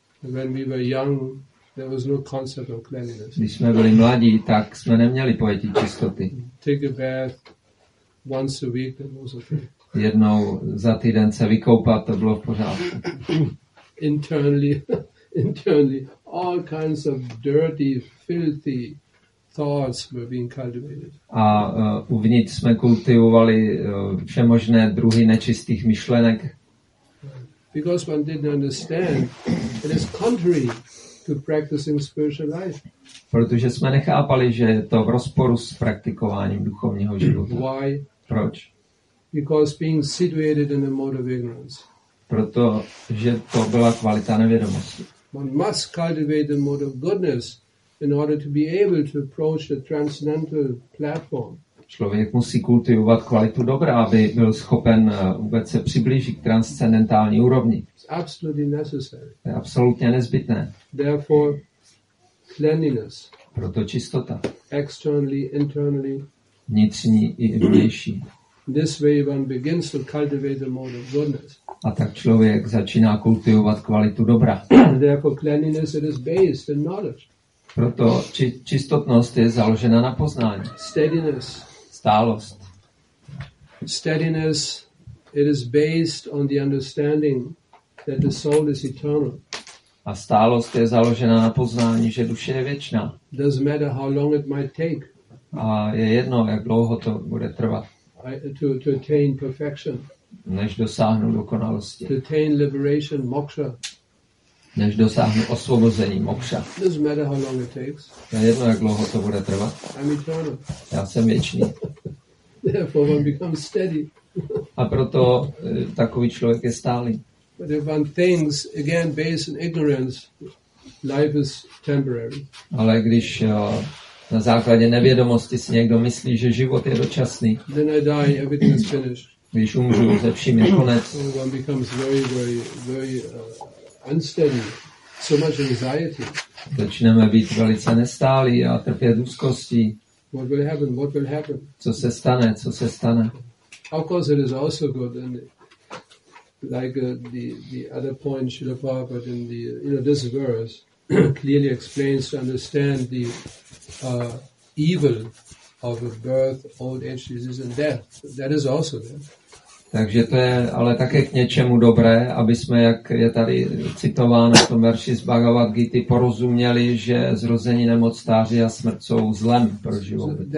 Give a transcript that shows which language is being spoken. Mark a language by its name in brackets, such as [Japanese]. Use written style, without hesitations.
[English] When we were young, there was no concept of cleanliness. [Czech] Když jsme byli mladí, tak jsme neměli pojetí čistoty. [English] Take a bath once a week, that was okay. [Czech] Jednou za týden se vykoupat, to bylo v pořádku. [English] Internally, all kinds of dirty, filthy thoughts were being cultivated. [Czech] A uvnitř jsme kultivovali všemožné druhy nečistých myšlenek. [English] Because one didn't understand, it is contrary to practicing spiritual life. [Czech] Protože jsme nechápali, že je to v rozporu s praktikováním duchovního života. [English] Why? [Czech] Proč? [English] Because being situated in a mode of ignorance. [Czech] Protože to byla kvalita nevědomosti. [English] One must cultivate the mode of goodness in order to be able to approach the transcendental platform. [Czech] Člověk musí kultivovat kvalitu dobra, aby byl schopen vůbec se přiblížit k transcendentální úrovni. [English] It's absolutely necessary. [Czech] To je absolutně nezbytné. [English] Therefore, cleanliness. [Czech] Proto čistota. [English] Externally, internally. [Czech] Vnitřní i vnější. [English] This way one begins to cultivate the mode of goodness. [Czech] A tak člověk začíná kultivovat kvalitu dobra. [English] Therefore, cleanliness is based in knowledge. [Czech] Proto čistotnost je založena na poznání. [English] Steadiness. [Czech] Stálost. [English] Steadiness, it is based on the understanding that the soul is eternal. [Czech] A stálost je založena na poznání, že duše je věčná. [English] Doesn't matter how long it might take. [Czech] A je jedno, jak dlouho to bude trvat. [English] To attain perfection. [Czech] Než dosáhnu dokonalosti. [English] To attain liberation, moksha. [Czech] Než dosáhnu osvobození, mokša. [English] Doesn't matter how long it takes. [Czech] Je jedno, jak dlouho to bude trvat. [English] I'm eternal. [Czech] Já jsem věčný. [English] therefore one becomes steady. [Czech] A proto takový člověk je stálý. [English] But if one thinks again based on ignorance, life is temporary. [Czech] Ale když na základě nevědomosti si někdo myslí, že život je dočasný. [English] Then I die, everything is finished. [Czech] Když umřu, se vším je konec. [English] One becomes very unsteady. So much anxiety. [Czech] Začneme být velice nestálí a trpět úzkostí. [English] What will happen? What will happen? [Czech] Co se stane? Co se stane? [English] Of course, it is also good, and like the other point, Srila Prabhupada in the this verse clearly explains to understand the evil of birth, old age, disease, and death. That is also there. [Czech] Takže to je ale také k něčemu dobré, aby jsme, jak je tady citováno v tom verši z Bhagavad Gita, porozuměli, že zrození, nemoc, stáří a smrt jsou zlem pro život.